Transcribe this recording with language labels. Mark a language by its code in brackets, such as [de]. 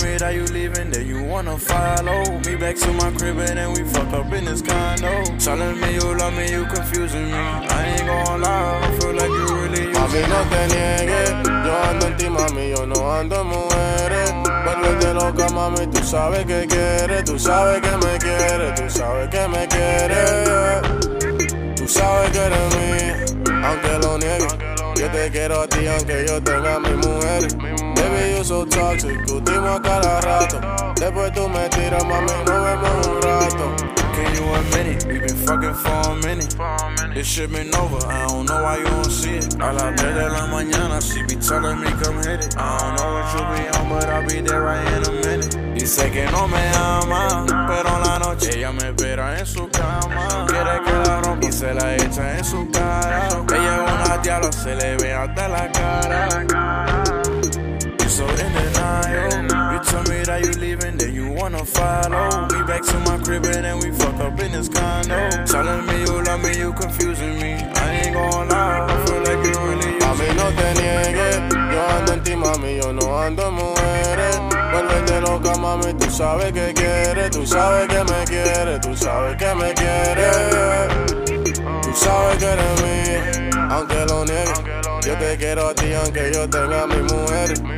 [en] How you leaving, then you wanna follow me back to my crib and then we fuck up in this condo. Telling me you love me, you confusing me. I ain't gon' lie, I feel like you really used to. [es] Mami, no te niegues. Yo ando en ti, mami, yo no ando en mujeres. Vuelvete loca, mami, tú sabes que quieres. Tú sabes que me quieres, tú sabes que me quieres. Tú sabes que eres mía, aunque lo niegues. Yo te quiero a ti, aunque yo tenga a mi mujer. [en] Baby, you so toxic, [es] discutimos a cada rato. Después tú me tiras, mami, nos vemos un rato. [en] Can you admit it? We been fucking for a minute. This shit been over, I don't know why you don't see it. [es] A las 3 de la mañana, [en] she be telling me come hit it. I don't know what you be on, but I'll be there right in a minute. [es] Dice que no me ama, pero en la noche ella me espera en su cama. Quiere que la rompa y se la echa en su cara. Ella es una diabla, se le ve hasta la cara. [en] So in denial, you tell me that you leaving, then you wanna follow. We back to my crib and then we fuck up in this condo. Telling me you love me, you confusing me. I ain't gon' lie, I feel like you really used [es] to. Mami, no te niegues, yo ando en ti, mami, yo no ando en mujeres. Vuelvete loca, mami, tú sabes que quieres. Tú sabes que me quieres, tú sabes que me quieres. Tú sabes que eres mía, aunque lo niegues. Yo te quiero a ti, aunque yo tenga a mi mujer.